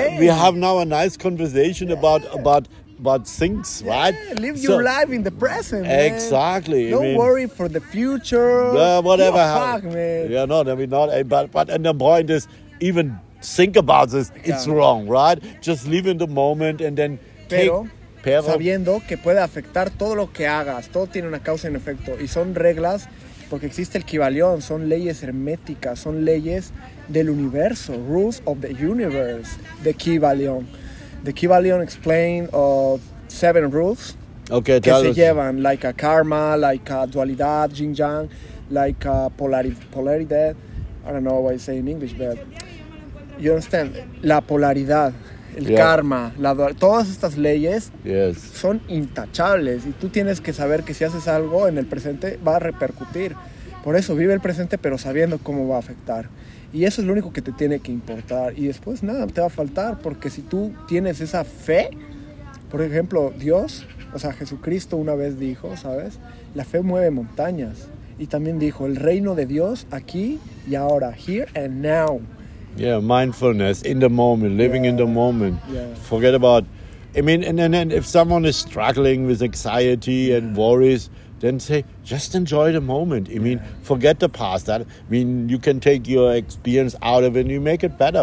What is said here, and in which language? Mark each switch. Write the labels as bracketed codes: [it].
[en] We have now a nice conversation about things, right? Live your life in the present, man. Exactly. Don't worry for the future. Yeah, whatever. Oh, fuck, man. Yeah, no, I mean, not. But and the point is, even think about this, it's wrong, right? Just live in the moment and then [es] pero sabiendo que puede afectar todo lo que hagas. Todo tiene una causa y un efecto. Y son reglas, porque existe el kibalión. Son leyes herméticas. Son leyes del universo. [en] Rules of the universe. The kibalión. The Kybalion explained of 7 rules [es] que se llevan, [en] like a karma, like a dualidad, yin yang, like a polaridad. I don't know what I say in English, but you understand. [es] La polaridad, el karma, todas estas leyes son intachables. Y tú tienes que saber que si haces algo en el presente va a repercutir. Por eso vive el presente, pero sabiendo cómo va a afectar. Y eso es lo único que te tiene que importar. Y después nada, te va a faltar. Porque si tú tienes esa fe, por ejemplo, Dios, o sea, Jesucristo una vez dijo, ¿sabes? La fe mueve montañas. Y también dijo, el reino de Dios aquí y ahora. [en] Here and now. Yeah, mindfulness, in the moment, living in the moment. Yeah. Forget about, I mean, and if someone is struggling with anxiety and worries, then say, just enjoy the moment. I mean, forget the past. That, I mean, you can take your experience out of it and you make it better.